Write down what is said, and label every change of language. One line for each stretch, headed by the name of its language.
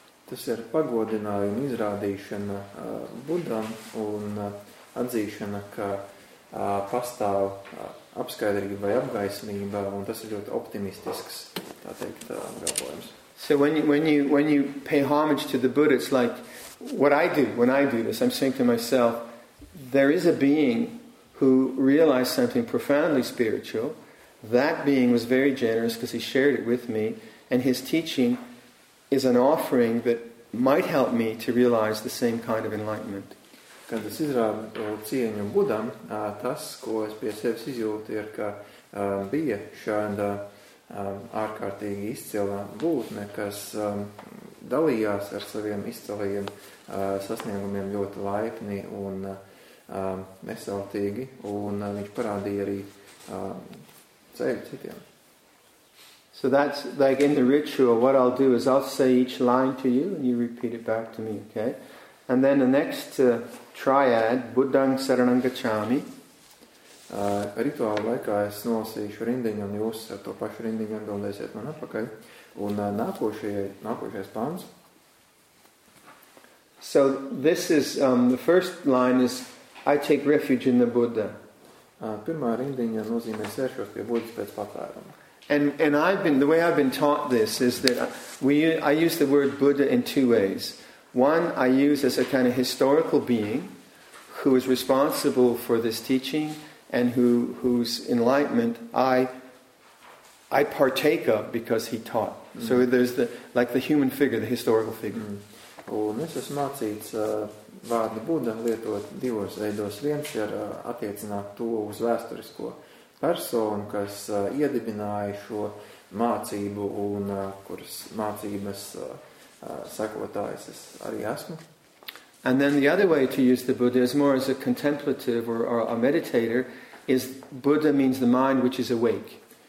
Latvian: Tas ir pagodinājuma izrādīšana Budam un atzīšana, ka pastāv apskaidrība vai apgaismība, un tas ir ļoti optimistisks, tā teikt, apgalvojums.
English: So when you pay homage to the Buddha, it's like what I do when I do this. I'm saying to myself, there is a being who realized something profoundly spiritual. That being was very generous because he shared it with me, and his teaching is an offering that might help me to realize the same kind of enlightenment.
Latvian: Kad es izrādu cieņu Budam, tas, ko es pie sevis izjūtu, ir, ka bija šāda ārkārtīgi izcilā būtne, kas dalījās ar saviem izcilajiem sasniegumiem ļoti laipni un nesautīgi, un viņš parādīja arī ceļu citiem.
English: So that's like in the ritual, what I'll do is I'll say each line to you and you repeat it back to me, okay? And then the next triad,
Pali: Buddhaṃ saraṇaṃ gacchāmi.
Latvian: Rituāla laikā es nolasīšu rindiņu, un jūs ar to pašu rindiņu atbildēsiet man atpakaļ. Un nākošais pāns.
English: So this is, the first line is, I take refuge in the Buddha.
Latvian: Pirmā rindiņa nozīmē sēršos pie Buddhas pēc patvēruma.
English: And I've been, the way I've been taught this is that I use the word Buddha in two ways. One, I use as a kind of historical being who is responsible for this teaching and whose enlightenment I partake of because he taught. Mm. So there's the human figure, the historical figure. Mm.
Latvian: Un es esmu mācīts vārdu Buddha lietot divos veidos. Viens ir attiecināt to uz vēsturisko personu, kas iedibināja šo mācību un kuras mācības sakotājs es arī esmu.
English: And then the other way to use the Buddha is more as a contemplative or a meditator, is Buddha means the mind which is awake.